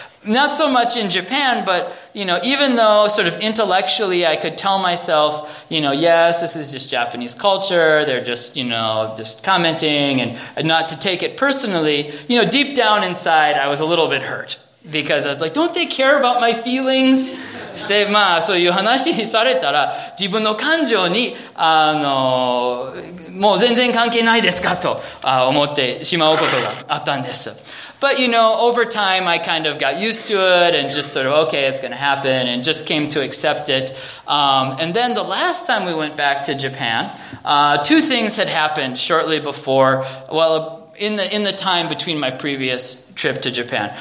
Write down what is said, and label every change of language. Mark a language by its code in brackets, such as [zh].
[en] not so much in Japan, but, you know, even though sort of intellectually I could tell myself, you know, yes, this is just Japanese culture, they're just, you know, just commenting and not to take it personally, you know, deep down inside I was a little bit hurt because I was like, don't they care about my feelings? [ja] して、まあ、そういう話にされたら、自分の感情に、もう全然関係ないですかと、思ってしまうことがあったんです。 [en] But, you know, over time, I kind of got used to it and just sort of, okay, it's going to happen and just came to accept it. And then the last time we went back to Japan, two things had happened shortly before, well, in the time between my previous trip to Japan.